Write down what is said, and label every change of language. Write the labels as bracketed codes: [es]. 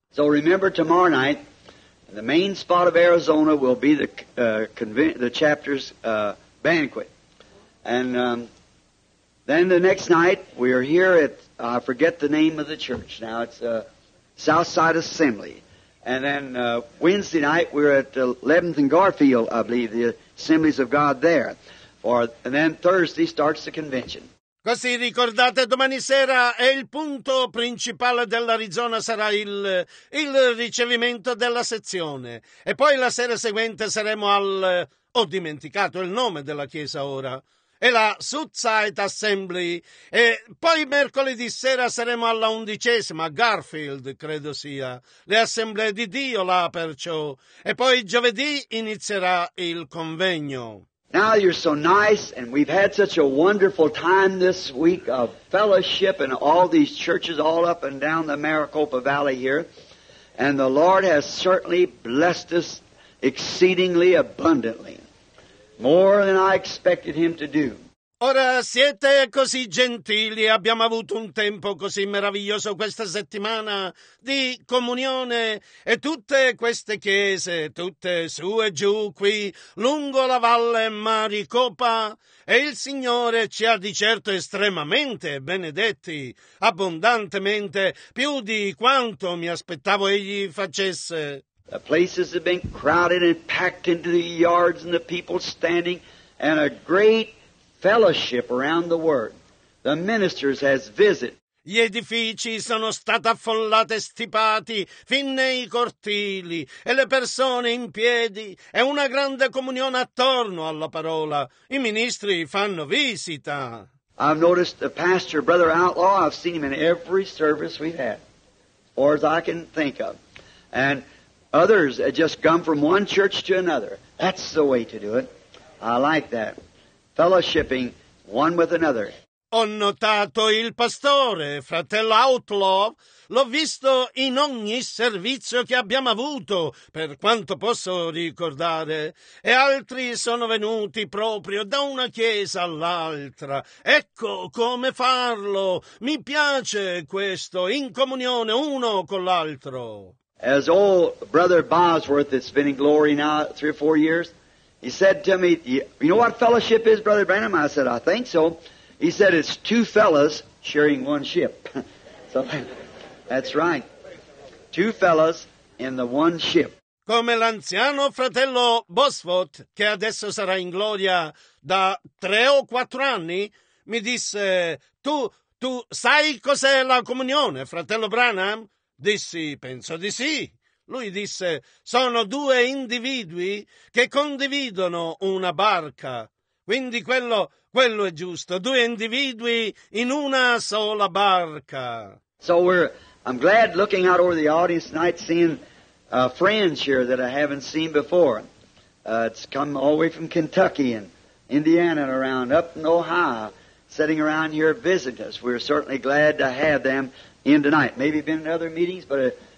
[en] So remember tomorrow night, the main spot of Arizona will be the chapter's banquet. And then the next night, we are here at, I forget the name of the church now, it's Southside Assembly. And then Wednesday night, we're at 11th and Garfield, I believe, the Assemblies of God there. And then Thursday starts the convention. [it] Così ricordate, domani sera è il punto principale dell'Arizona, sarà il ricevimento della sezione. E poi la sera seguente saremo al... ho dimenticato il nome della chiesa ora. È la Southside Assembly. E poi mercoledì sera saremo alla 11ª, Garfield, credo sia. Le Assemblee di Dio là, perciò. E poi giovedì inizierà il convegno. [en] Now you're so nice, and we've had such a wonderful time this week of fellowship in all these churches all up and down the Maricopa Valley here. And the Lord has certainly blessed us exceedingly abundantly, more than I expected Him to do. [it] Ora siete così gentili, abbiamo avuto un tempo così meraviglioso questa settimana di comunione e tutte queste chiese, tutte su e giù qui lungo la valle Maricopa, e il Signore ci ha di certo estremamente benedetti, abbondantemente, più di quanto mi aspettavo egli facesse. [en] The places have been crowded and packed into the yards and the people standing, and a great fellowship around the word. The ministers has visited. [it] Gli edifici sono stati affollati, stipati fin nei cortili, e le persone in piedi, e una grande comunione attorno alla parola. I ministri fanno visita. [en] I've noticed the pastor, Brother Outlaw, I've seen him in every service we've had, or as I can think of. And others have just come from one church to another. That's the way to do it. I like that. Fellowshipping one with another. [it] Ho notato il pastore, fratello Outlaw, l'ho visto in ogni servizio che abbiamo avuto, per quanto posso ricordare, e altri sono venuti proprio da una chiesa all'altra. Ecco come farlo. Mi piace questo, in comunione uno con l'altro. [en] As old Brother Bosworth has been in glory now 3 or 4 years, he said to me, you know what fellowship is, Brother Branham? I said, I think so. He said, it's two fellas sharing one ship. So, that's right. Two fellas in the one ship. [it] Come l'anziano fratello Bosworth, che adesso sarà in gloria da 3 o 4 anni, mi disse, tu sai cos'è la comunione, fratello Branham? Dissi, penso di sì. Lui disse, sono due individui che condividono una barca. Quindi quello è giusto, due individui in una sola barca. [en] So I'm glad looking out over the audience tonight, seeing friends here that I haven't seen before. It's come all the way from Kentucky and Indiana and around, up in Ohio, sitting around here visiting us. We're certainly glad to have them in tonight. Maybe been in other meetings, but...